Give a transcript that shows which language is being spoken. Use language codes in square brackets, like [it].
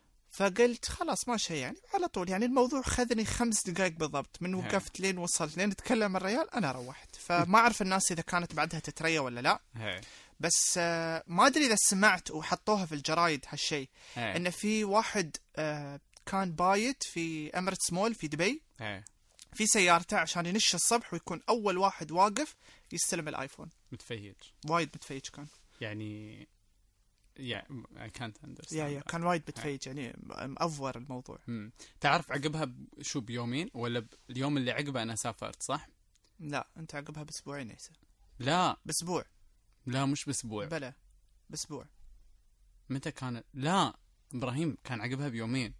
[ar] فقلت خلاص ما شيء يعني على طول يعني الموضوع خذني 5 دقائق بالضبط من وقفت لين وصلت لين تكلم الريال أنا روحت فما أعرف الناس إذا كانت بعدها تتريا ولا لا بس ما أدري إذا سمعت وحطوها في الجرايد هالشيء إن في واحد كان بايت في إمارات مول في دبي في سيارته عشان ينش الصبح ويكون أول واحد واقف يستلم الآيفون متفهيج وايد متفهيج كان يعني [en] Yeah, I can't understand. Yeah, yeah. [ar] كان وايد بتفيج يعني مأفور الموضوع. تعرف عقبها شو بيومين ولا اليوم اللي عقبه أنا سافرت صح؟ لا أنت عقبها بأسبوعين إيسا. لا. بأسبوع. لا مش بأسبوع. بلى بأسبوع. متى كان؟ لا إبراهيم كان عقبها بيومين.